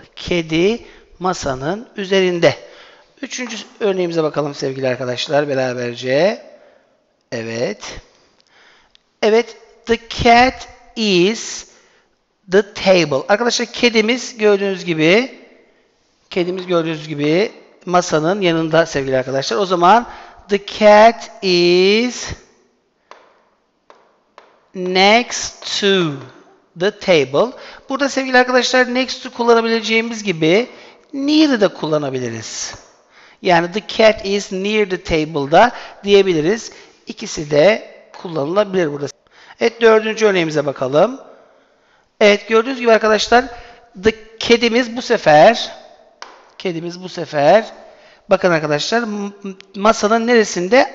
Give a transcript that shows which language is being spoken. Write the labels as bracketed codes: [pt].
[tr] Kedi masanın üzerinde. Üçüncü örneğimize bakalım sevgili arkadaşlar beraberce. Evet. [en] Evet, the cat is the table. [tr] Arkadaşlar kedimiz gördüğünüz gibi masanın yanında sevgili arkadaşlar. [en] O zaman the cat is next to the table. [tr] Burada sevgili arkadaşlar next to kullanabileceğimiz gibi near'ı da kullanabiliriz. [en] Yani the cat is near the table [tr] da diyebiliriz. İkisi de kullanılabilir burada. Evet, dördüncü örneğimize bakalım. Evet, gördüğünüz gibi arkadaşlar kedimiz bu sefer bakın arkadaşlar masanın neresinde?